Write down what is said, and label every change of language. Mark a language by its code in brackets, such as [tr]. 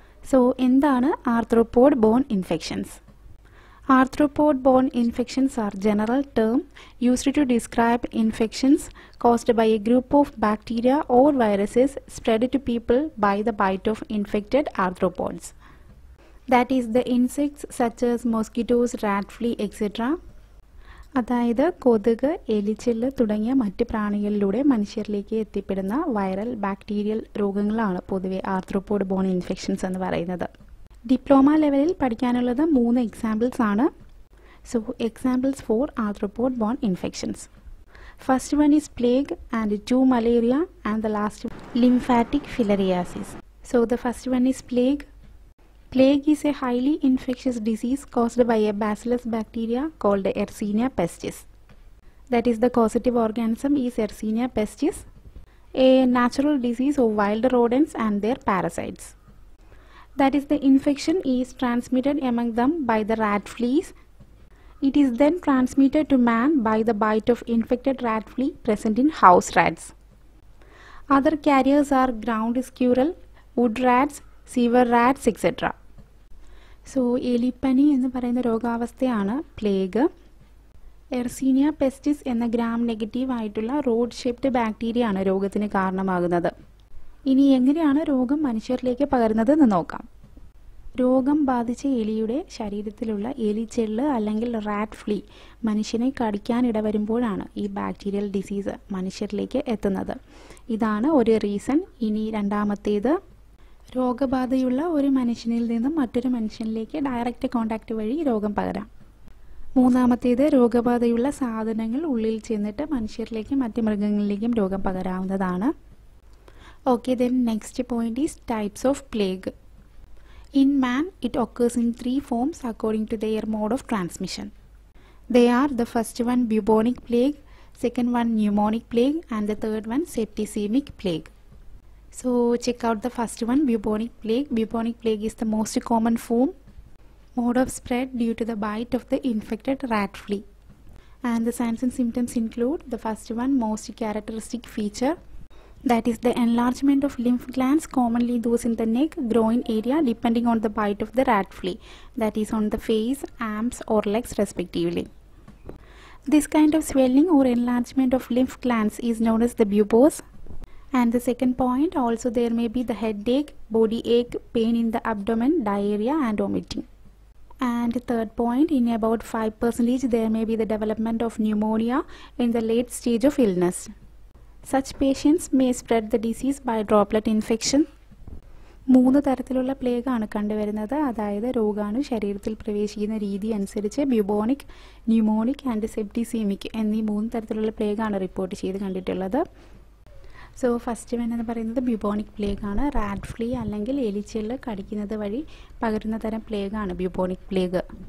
[en] so [ml] എന്താണ് [en] Arthropod borne infections? Arthropod borne infections are general term used to describe infections caused by a group of bacteria or viruses spread to people by the bite of infected arthropods. That is the insects such as mosquitoes, rat, flea, etc. [ml] അതായത് കൊതുക്, എലിച്ചില്ല് തുടങ്ങിയ മറ്റ് പ്രാണികളിലൂടെ മനുഷ്യരിലേക്ക് എത്തിപ്പെടുന്ന viral bacterial രോഗങ്ങളാണ് പൊതുവെ arthropod bone infections എന്ന് പറയുന്നത്. Diploma ലെവലിൽ പഠിക്കാനുള്ളത് മൂന്ന് എക്സാമ്പിൾസ് ആണ്. [en] So examples for arthropod borne infections. First one is plague and two malaria and the last lymphatic filariasis. So the first one is plague. Plague is a highly infectious disease caused by a bacillus bacteria called Yersinia pestis. That is, the causative organism is Yersinia pestis, a natural disease of wild rodents and their parasites. That is, the infection is transmitted among them by the rat fleas. It is then transmitted to man by the bite of infected rat flea present in house rats. Other carriers are ground squirrel, wood rats, sewer rats et cetera. [ml] So എലിപ്പനി എന്ന് പറയുന്ന രോഗാവസ്ഥയാണ് plague. Yersinia പെസ്റ്റിസ് എന്ന gram negative ആയിട്ടുള്ള rod shaped ബാക്ടീരിയയാണ് രോഗത്തിന് കാരണമാകുന്നത്. ഇനി എങ്ങനെയാണ് രോഗം മനുഷ്യരിലേക്ക് പകരുന്നതെന്ന് നോക്കാം. രോഗം ബാധിച്ച എലിയുടെ ശരീരത്തിലുള്ള എലിച്ചെള്ള് അല്ലെങ്കിൽ റാറ്റ് ഫ്ലീ മനുഷ്യനെ കടിക്കാനിട വരുമ്പോഴാണ് ഈ ബാക്ടീരിയൽ ഡിസീസ് മനുഷ്യരിലേക്ക് എത്തുന്നത്. ഇതാണ് ഒരു റീസൺ. ഇനി രണ്ടാമത്തേത്, രോഗബാധയുള്ള ഒരു മനുഷ്യനിൽ നിന്നും മറ്റൊരു മനുഷ്യനിലേക്ക് ഡയറക്റ്റ് കോണ്ടാക്ട് വഴി രോഗം പകരാം. മൂന്നാമത്തേത്, രോഗബാധയുള്ള സാധനങ്ങൾ ഉള്ളിൽ ചെന്നിട്ട് മനുഷ്യരിലേക്കും മറ്റ് മൃഗങ്ങളിലേക്കും രോഗം പകരാവുന്നതാണ്. [en] Okay, then next point is types of plague. In man it occurs in three forms according to their mode of transmission. They are the first one bubonic plague, second one pneumonic plague and the third one septicaemic plague. So check out the first one, bubonic plague. Bubonic plague is the most common form, mode of spread due to the bite of the infected rat flea. And the signs and symptoms include the first one, most characteristic feature, that is the enlargement of lymph glands, commonly those in the neck, groin area, depending on the bite of the rat flea, that is on the face, arms or legs respectively. This kind of swelling or enlargement of lymph glands is known as the bubos. And the second point, also there may be the headache, body ache, pain in the abdomen, diarrhea and vomiting. And the third point, in about 5% there may be the development of pneumonia in the late stage of illness. Such patients may spread the disease by droplet infection. [ml] മൂന്ന് തരത്തിലുള്ള plague ആണ് കണ്ടുവരുന്നത്. അതായത് രോഗാണു ശരീരത്തിൽ പ്രവേശിക്കുന്ന രീതി അനുസരിച്ച് bubonic, mnemonic and സെപ്റ്റിസീമിക് എന്നീ മൂന്ന് തരത്തിലുള്ള പ്ലേഗ് ആണ് റിപ്പോർട്ട് ചെയ്ത് കണ്ടിട്ടുള്ളത്. [en] so first one [ml] എന്ന് പറയുന്നത് ബ്യൂബോണിക് പ്ലേഗ് ആണ്. റാറ്റ് ഫ്ലീ അല്ലെങ്കിൽ എലിച്ചെള്ള് കടിക്കുന്നത് വഴി പകരുന്ന തരം പ്ലേഗ് ആണ് ബ്യൂബോണിക് പ്ലേഗ്.